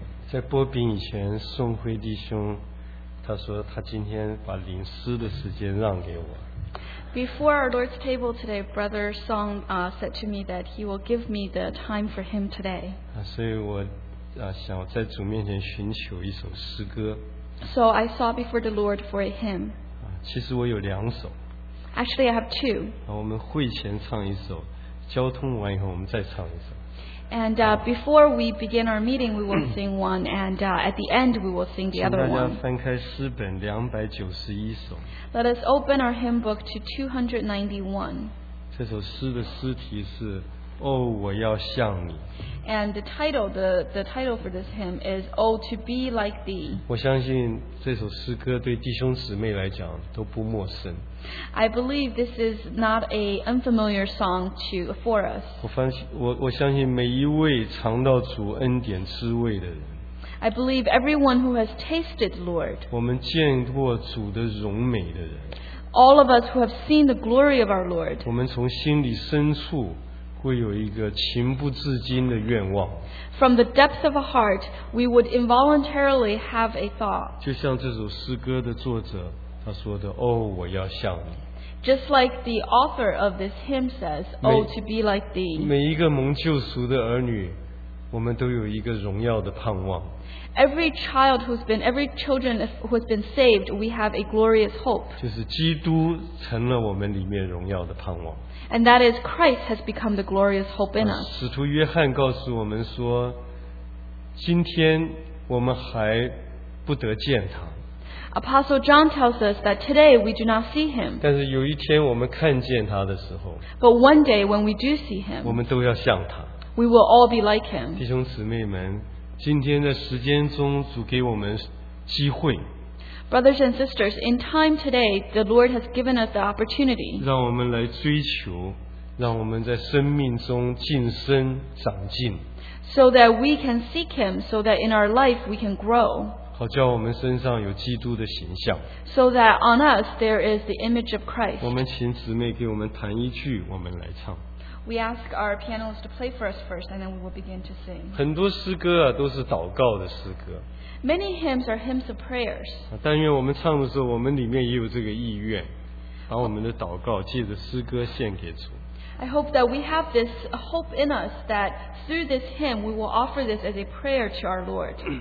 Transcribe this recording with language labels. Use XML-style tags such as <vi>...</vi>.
<zh>在播饼以前，宋辉弟兄他说他今天把灵师的时间让给我。</zh> <en>Before our Lord's table today, Brother Song said to me that he will give me the time for him today.</en> <zh>所以我想在主面前寻求一首诗歌。</zh> <en>So I sought before the Lord for a hymn.</en> <zh>其实我有两首。</zh> <en>Actually, I have two.</en> <zh>我们会前唱一首，交通完以后我们再唱一首。</zh> <en>And before we begin our meeting, we will sing one, and at the end, we will sing the other one.</en> <zh>请大家翻开诗本291首。</zh> <en>Let us open our hymn book to 291.</en> <zh>这首诗的诗题是哦，我要像你。</zh> <en>And the title for this hymn is Oh, to be like thee.</en> <zh>我相信这首诗歌对弟兄姊妹来讲都不陌生。</zh> <en>I believe this is not an unfamiliar song for us.</en> <zh>我相信每一位尝到主恩典滋味的人。</zh> <en>I believe everyone who has tasted the Lord.</en> <zh>我们见过主的荣美的人。</zh> <en>All of us who have seen the glory of our Lord.</en> <zh>我们从心里深处会有一个情不自禁的愿望。</zh> <en>From the depth of a heart, we would involuntarily have a thought.</en> <zh>就像这首诗歌的作者他说的，哦，我要像你。</zh> <en>Just like the author of this hymn says, Oh, to be like thee.</en> <zh>每一个蒙救赎的儿女，我们都有一个荣耀的盼望。</zh> <en>Every children who has been saved, we have a glorious hope.</en> <zh>就是基督成了我们里面荣耀的盼望。</zh> <en>And that is Christ has become the glorious hope in us.</en> <zh>使徒约翰告诉我们说，今天我们还不得见他。</zh> <en>Apostle John tells us that today we do not see him.</en> <zh>但是有一天我们看见他的时候。</zh> <en>But one day when we do see him,</en> <zh>我们都要像他。</zh> <en>We will all be like him.</en> <zh>弟兄姊妹们，今天在时间中主给我们机会。</zh> <en>Brothers and sisters, in time today, the Lord has given us the opportunity.</en> <zh>让我们来追求，让我们在生命中晋升长进。</zh> <en>So that we can seek him, so that in our life we can grow.</en> <zh>好叫我们身上有基督的形象。</zh> <en>So that on us there is the image of Christ.</en> <zh>我们请姊妹给我们弹一句，我们来唱。</zh> <en>We ask our pianos to play for us first, and then we will begin to sing.</en> <zh>很多诗歌啊，都是祷告的诗歌。</zh> <en>Many hymns are hymns of prayers.</en> <zh>但愿我们唱的时候，我们里面也有这个意愿，把我们的祷告借着诗歌献给主。</zh> <en>I hope that we have this hope in us that through this hymn we will offer this as a prayer to our Lord.</en>